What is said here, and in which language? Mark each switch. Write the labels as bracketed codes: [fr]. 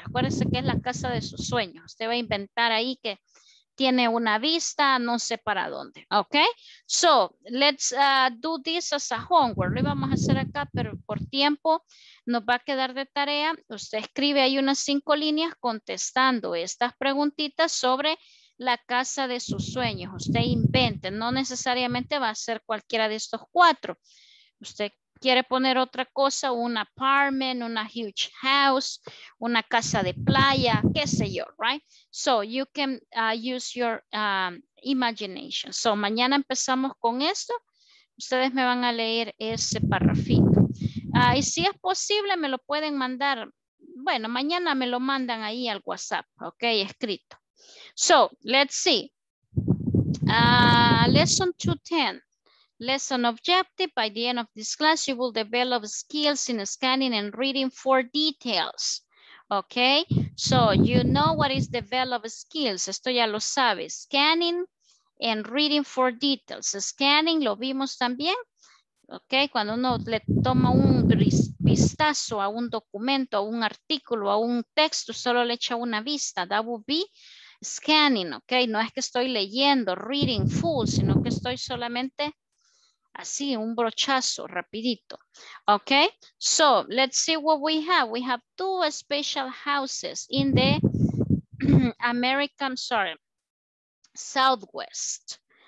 [es] Acuérdese que es la casa de sus sueños. Usted va a inventar ahí que tiene una vista, no sé para dónde. [en] Ok, so let's do this as a homework. [es] Lo íbamos a hacer acá, pero por tiempo nos va a quedar de tarea. Usted escribe ahí unas 5 líneas contestando estas preguntitas sobre la casa de sus sueños. Usted invente, no necesariamente va a ser cualquiera de estos 4. Usted quiere poner otra cosa, un apartment, una [en] huge house, [es] una casa de playa, qué sé yo, right? [en] So you can use your imagination. [es] So mañana empezamos con esto. Ustedes me van a leer ese parrafito. Y si es posible, me lo pueden mandar. Bueno, mañana me lo mandan ahí al WhatsApp, ok, escrito. [en] So let's see. Lesson 210. Lesson objective, by the end of this class, you will develop skills in scanning and reading for details. Okay, so you know what is develop skills. [es] Esto ya lo sabe. [en] Scanning and reading for details. [es] Scanning, lo vimos también. Okay, cuando uno le toma un vistazo a un documento, a un artículo, a un texto, solo le echa una vista. [en] That would be scanning, okay? [es] No es que estoy leyendo, [en] reading full, [es] sino que estoy solamente así, un brochazo, rapidito. [en] Okay, so let's see what we have. We have two special houses in the American, sorry, Southwest.